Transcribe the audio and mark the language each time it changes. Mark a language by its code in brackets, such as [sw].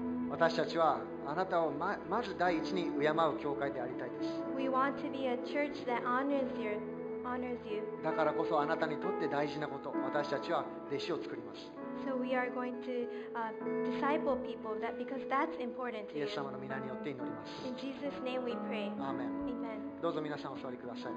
[ja] 私たちはあなたを まず第一に敬う教会でありたいです。 [en] We want to be a church that honors you, honors you. [ja] だからこそあなたにとって大事なこと、私たちは弟子を作ります。 [en] So we are going to disciple people that because that's important to you. [ja] イエス様の名によって祈ります。 [en] In Jesus' name we pray. Amen. Amen. [ja] どうぞ皆さんお座りください。